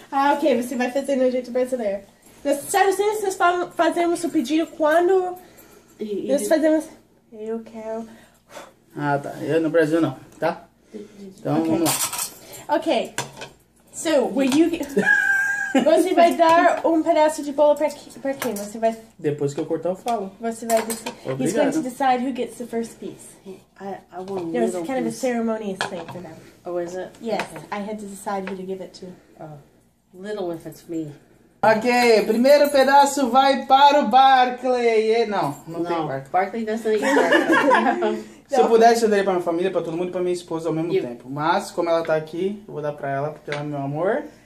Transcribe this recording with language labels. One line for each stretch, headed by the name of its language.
Portuguese: Ah, ok, você vai fazer no jeito brasileiro. Nos Estados Unidos, nós fazemos o pedido quando nós fazemos. Eu quero. Ah, tá. Eu no Brasil não, tá? Então okay. Vamos lá.
English: Ok. So, will you...
Portuguese: Você vai dar um pedaço de bolo pra quem? Você vai... Depois que eu cortar, eu falo. Você vai decidir.
English: He's going to decide who gets the first piece. I want a little piece. There was kind of a ceremonious thing for them. Oh, is it? Yes. Okay. I had to decide who to give it to. Little if it's me.
Portuguese: Ok, primeiro pedaço vai para o Barclay. Não, não, não tem Barclay.
English: Barclay doesn't eat Barclay.
Portuguese: Se eu pudesse, eu daria pra minha família, pra todo mundo e pra minha esposa ao mesmo tempo. Mas, como ela tá aqui, eu vou dar pra ela, porque ela é meu amor.